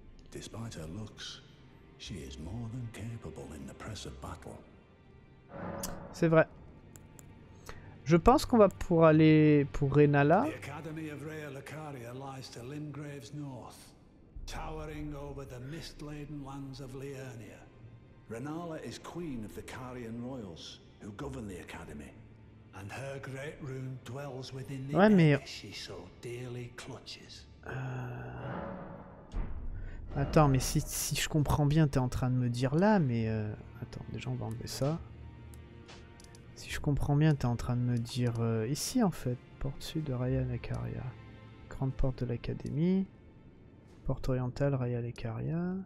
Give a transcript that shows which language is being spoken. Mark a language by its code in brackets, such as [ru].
[en] Despite her looks, she is more than capable in the press of battle. [fr] C'est vrai. Je pense qu'on va pour aller pour Renala. [en] The Academy of Rhea Lucaria lies to Limgrave's north, towering over the mist-laden lands of Liurnia. Renala is queen of the Carian royals, who govern the academy, and her great rune dwells within the [fr] ouais, mais... [en] she so dearly clutches. [fr] Attends, mais si je comprends bien, t'es en train de me dire là, mais attends, déjà on va enlever ça. Si je comprends bien, t'es en train de me dire ici en fait, porte sud de Rhea Lucaria. Grande porte de l'académie. Porte orientale, Rhea Lucaria.